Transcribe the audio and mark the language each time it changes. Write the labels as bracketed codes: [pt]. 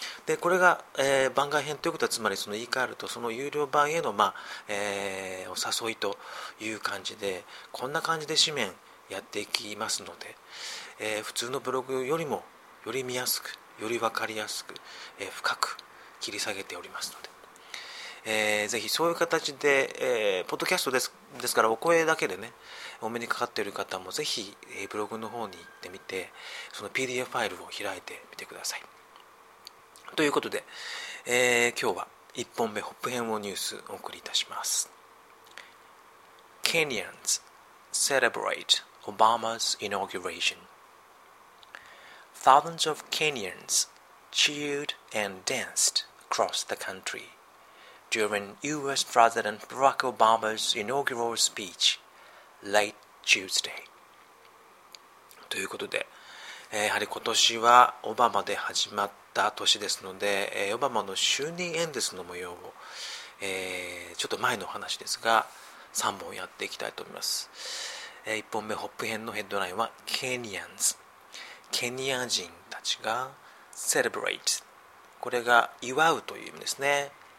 [ja] でこれが、番外編ということは、つまりその言い換えると、その有料版への、まあお誘いという感じで、こんな感じで紙面やっていきますので、普通のブログよりもより見やすく、より分かりやすく、深く切り下げておりますので、ぜひそういう形で、ポッドキャストですからお声だけでね、お目にかかっている方もぜひ、ブログの方に行ってみて、その PDF ファイルを開いてみてください。ということで、今日は1本目ホップ編をニュースお送りいたします。 [en] Kenyans celebrate Obama's inaugurationThousands of Kenyans cheered and danced across the country during U.S. President Barack Obama's inaugural speech late Tuesday. [ja] ということで、やはり今年はオバマで始まった年ですので、オバマの就任演説の模様を、ちょっと前のお話ですが、3本やっていきたいと思います。 1本目、ホップ編のヘッドラインは Kenyans。ケニア人たちが celebrate、 これが祝うという意味ですね。